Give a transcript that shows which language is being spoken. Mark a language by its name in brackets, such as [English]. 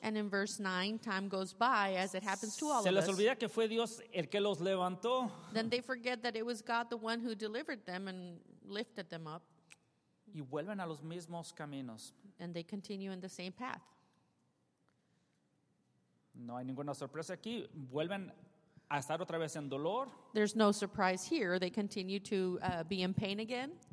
[English] And in verse 9, time goes by as it happens to all of us. [Spanish] Se les olvida que fue Dios el que los levantó. [English] Then they forget that it was God the one who delivered them and lifted them up. [Spanish] Y vuelven a los mismos caminos. [English] And they continue in the same path. [Spanish] No hay ninguna sorpresa aquí. Vuelven a estar otra vez en dolor. [English] There's no surprise here. They continue to be in pain again.